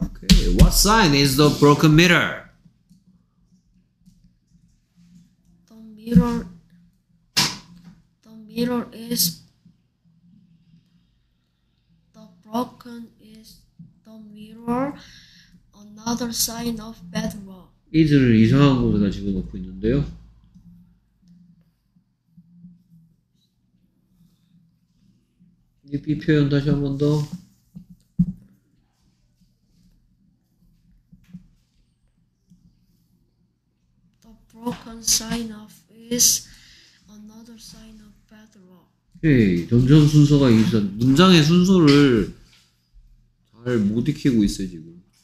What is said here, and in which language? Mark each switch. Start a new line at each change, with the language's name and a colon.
English: Okay. What sign is the broken mirror? The mirror is the broken is the mirror. Another sign of bad luck.
Korean: Is를 이상한 곳에다 집어넣고 있는데요. B 표현 다시 한 번 더.
English: The broken sign of is another sign of bad luck.
Korean: 오케이, 점점 순서가 이상. 문장의 순서를 잘 못 익히고 있어 지금.